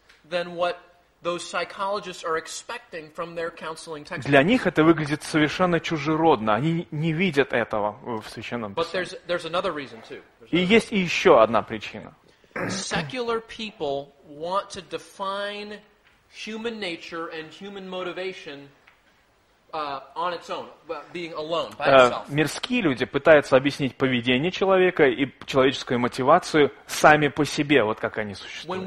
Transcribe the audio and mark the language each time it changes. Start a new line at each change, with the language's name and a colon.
Russian: Для них это выглядит совершенно чужеродно. Они не видят этого в Священном Писании. И есть еще одна причина.
English: Secular people want to define human nature and human motivation on its own, being alone, by itself.
Russian: Мирские люди пытаются объяснить поведение человека и человеческую мотивацию сами по себе, вот как они существуют.